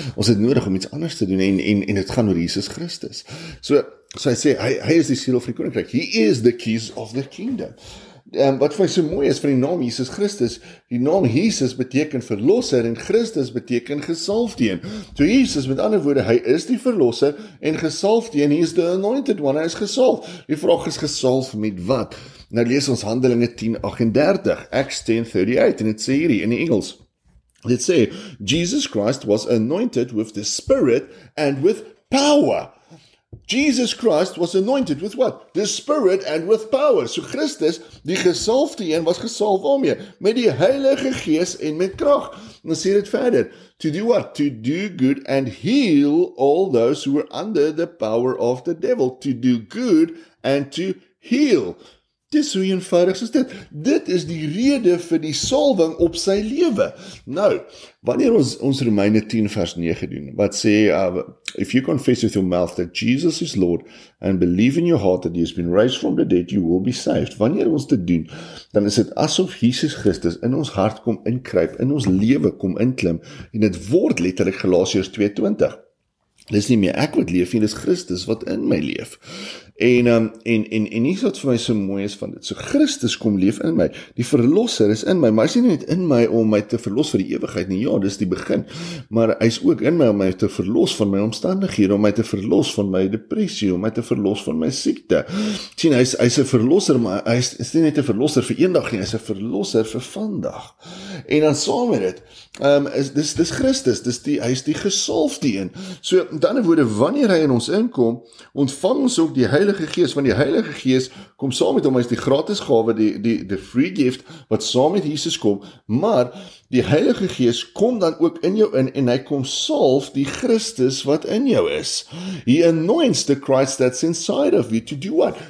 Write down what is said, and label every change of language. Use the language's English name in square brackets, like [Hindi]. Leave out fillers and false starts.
[Afrikaans] Ons het nodig om iets anders te doen, en het gaan oor Jesus Christus. So hy sê, hy is die siel van die koninkryk. [English] He is the keys of the kingdom. [Afrikaans] Wat vir my so mooi is van die naam Jesus Christus, die naam Jesus beteken verlosser en Christus beteken gesalfdeen. So Jesus, met ander woorde, hy is die verlosser en gesalfdeen, hy is [English] the anointed one, [Afrikaans] hy is gesalf. Die vraag is gesalf met wat? Nou lees ons Handelinge 10:38, en het sê hierdie in die Engels. Dit sê, [English] Jesus Christ was anointed with the spirit and with power. Jesus Christ was anointed with what? The Spirit and with power. [Afrikaans] So Christus, die gesalfde een, was gesalf daarmee, met die Heilige Gees en met krag. En sê dit verder, [English] to do what? To do good and heal all those who were under the power of the devil. To do good and to heal. [Afrikaans] Dis hoe eenvoudig is dit. Dit is die rede vir die salwing op sy lewe. Nou, wanneer ons Romeine 10 vers 9 doen, wat sê, [English] if you confess with your mouth that Jesus is Lord, and believe in your heart that he has been raised from the dead, you will be saved. [Afrikaans] Wanneer ons dit doen, dan is dit asof Jesus Christus in ons hart kom inkruip, in ons lewe kom inklim, en het word letterlik Galasiërs 2:20. Dis nie meer ek wat leef nie, dis Christus wat in my leef. En iets wat vir my so mooi is van dit, so Christus kom leef in my, die verlosser is in my, maar hy is nie net in my om my te verlos vir die ewigheid nie, ja, dis die begin, maar hy is ook in my om my te verlos van my omstandighede, om my te verlos van my depressie, om my te verlos van my siekte. Sien, hy is een verlosser, maar hy is nie net een verlosser vir een dag nie, hy is een verlosser vir vandag. En dan saam met dit, dis Christus, hy is die gesalfde een. So, dan in woorde, wanneer hy in ons inkom, ontvang ons ook die Heilige Gees, want die Heilige Gees kom saam met hom, hy is die gratis gave, die [English] free gift, [Afrikaans] wat saam met Jesus kom, maar die Heilige Gees kom dan ook in jou in, en hy kom salf die Christus wat in jou is. [English] He anoints the Christ that's inside of you to do what?